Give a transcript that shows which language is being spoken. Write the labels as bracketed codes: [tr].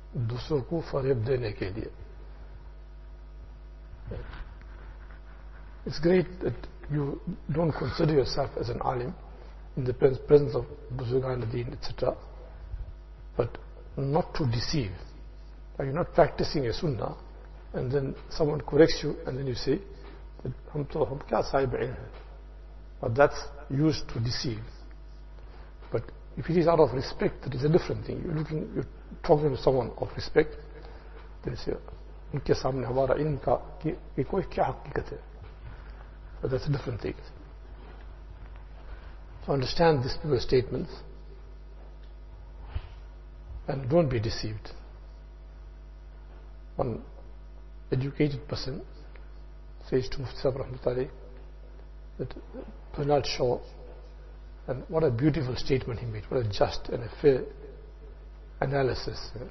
[ur] دوسروں کو فریب دینے کے لئے. [en] It's great that you don't consider yourself as an alim in the presence of Buzhugan al-Din, etc. But not to deceive. Are you not practicing a sunnah? And then someone corrects you and then you say that [ur] ہم تو ہم کیا صاحب علم ہے. [en] But that's used to deceive. But if it is out of respect, that is a different thing. You're talking to someone of respect, then you say, [ur] ان کے سامنے ہمارا علم کا کہ کوئی کیا حقیقت ہے. [en] But that's a different thing. So understand these people's statements and don't be deceived. One educated person says to Mufti Sahib Rahmatullahi that Bernard Shaw, and what a beautiful statement he made, what a just and a fair analysis.